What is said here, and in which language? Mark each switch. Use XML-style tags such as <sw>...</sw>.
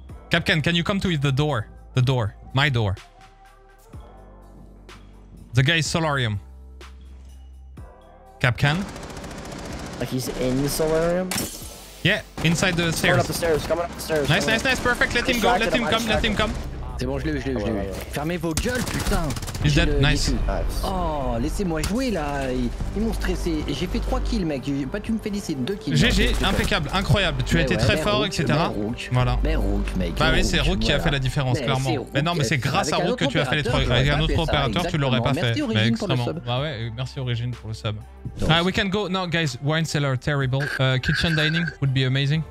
<en>Capcan, can you come to the door? The door, my door. The guy is Solarium. Capcan? Like he's in the Solarium? Yeah, inside the stairs. Coming up the stairs, coming up the stairs. Nice, nice, nice, perfect, let him go, let him come, let him come.</en> <fr>C'est bon, je l'ai eu, je l'ai eu, je l'ai eu. Fermez vos gueules, putain. He's dead, nice. Oh, laissez-moi jouer là, ils m'ont stressé. J'ai fait 3 kills, mec, pas tu me fais laisser 2 kills. GG, impeccable, incroyable, tu as été très fort, etc. Voilà. Mais Rook, mec. Bah oui, c'est Rook qui a fait la différence, clairement. Mais non, mais c'est grâce à Rook que tu as fait les 3 kills. Avec un autre opérateur, tu l'aurais pas fait. Merci Origine pour le sub. Bah ouais, merci Origine pour le sub.</fr> <en>Ah, we can go. No, guys, wine cellar, terrible. Kitchen dining would be amazing.</en>